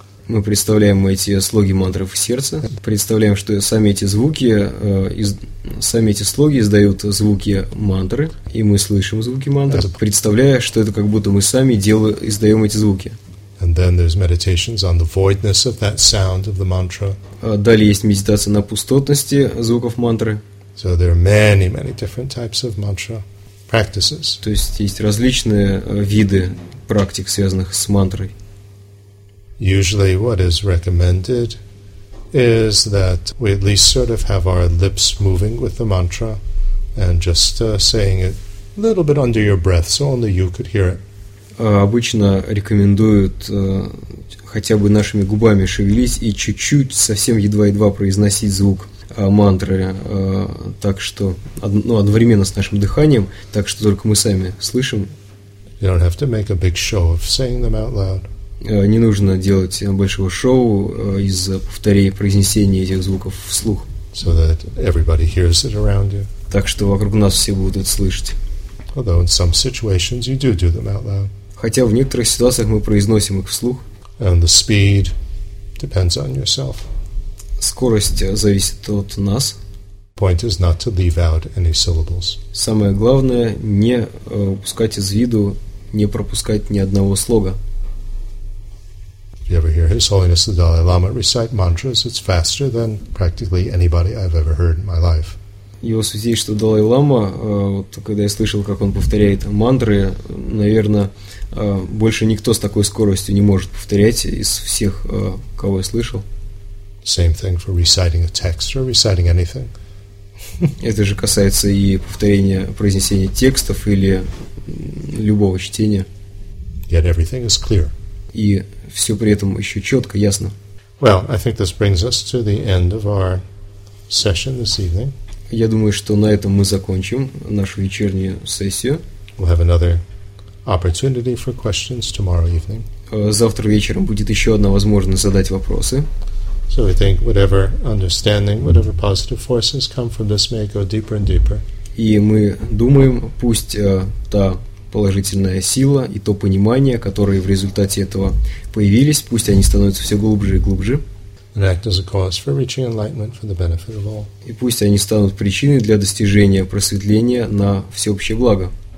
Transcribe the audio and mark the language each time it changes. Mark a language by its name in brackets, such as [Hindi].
[Russian] Мы представляем эти слоги мантры в сердце. Представляем, что сами эти звуки, сами эти слоги издают звуки мантры, и мы слышим звуки мантры, представляя, что это как будто мы сами издаем эти звуки. [English] And then there's meditations on the voidness of that sound of the mantra. [Russian] Далее есть медитация на пустотности звуков мантры. [English] So there are many, many different types of mantra practices. [Russian] То есть есть различные виды практик, связанных с мантрой. [English] Usually what is recommended is that we at least sort of have our lips moving with the mantra and just saying it a little bit under your breath so only you could hear it. [Russian] Обычно рекомендуют хотя бы нашими губами шевелить и чуть-чуть, совсем едва-едва произносить звук мантры, так что, ну, одновременно с нашим дыханием, так что только мы сами слышим. [English] You don't have to make a big show of saying them out loud. [Russian] Не нужно делать большого шоу из повторения произнесения этих звуков вслух. [English] So that everybody hears it around you. [Russian] Так что вокруг нас все будут это слышать. [English] Although in some situations you do them out loud. [Russian] Хотя в некоторых ситуациях мы произносим их вслух. [English] And the speed depends on yourself. [Russian] Скорость зависит от нас. [English] Point is not to leave out any syllables. [Russian] Самое главное не упускать из виду, не пропускать ни одного слога. [English] If you ever hear His Holiness the Dalai Lama recite mantras, it's faster than practically anybody I've ever heard in my life. [Russian] Его святейшество Далай-Лама, вот, когда я слышал, как он повторяет мантры, наверное, больше никто с такой скоростью не может повторять из всех, кого я слышал. [English] Same thing for reciting a text or reciting anything. [Russian] Это же касается и повторения произнесения текстов или любого чтения. [English] Yet everything is clear. [Russian] И все при этом еще четко, ясно. [English] Well, I think this brings us to the end of our session this evening. [Russian] Я думаю, что на этом мы закончим нашу вечернюю сессию. [English] We'll have another opportunity for questions tomorrow evening. [Russian] Завтра вечером будет еще одна возможность задать вопросы. [English] So we think whatever understanding, whatever positive forces come from this may go deeper and deeper. [Russian] И мы думаем, пусть та положительная сила и то понимание, которые в результате этого появились, пусть они становятся все глубже и глубже. [English] And act as a cause for reaching enlightenment for the benefit of all. [Russian] И пусть они станут причиной для достижения просветления на всеобщее благо.